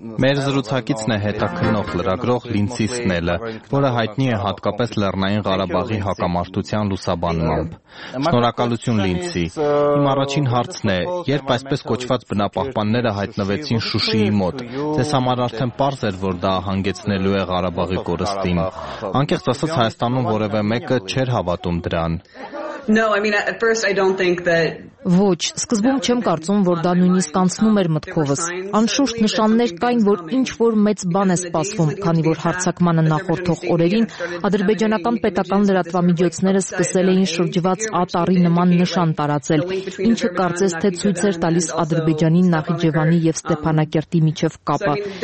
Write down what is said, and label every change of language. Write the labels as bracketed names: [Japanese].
[Armenian] Մեր զրուցակիցն է հետաքնող լրագրող Լինցիս Սնելը, որը հայտնի է հատկապես Լեռնային Ղարաբաղի հակամարտության լուսաբանմամբ։ Շնորհակալություն, Լինցի։ Իմ առաջին հարցն է, երբ այսպես կոչված բնապահպանները հայտնվեցին Շուշիի մոտ, ձեզ համար արդեն պարզ էր, որ դա ահանգեցնելու է Ղարաբաղի կորստին։ Անկեղծ ասած, Հայաստանում որևէ մեկը չէր հավատում դրան։ [English] No, I mean, at first I don't think that... [Armenian] Ոչ, սկզբում չեմ կարծում, որ դա նույնիսկ անցնում էր մտքովս։ Անշուշտ նշաններ կային, որ ինչ-որ մեծ բան է սպասվում, քանի որ հարցակմանը նախորդող օրերին ադրբեջանական պետական լրատվամիջոցները սկսել էին շրջված ատարի նման նշան տարածել, ինչը կարծես թե ցույց էր տալիս Ադրբեջանի, Նախիջևանի և Ստեփանակերտի միջև կապը։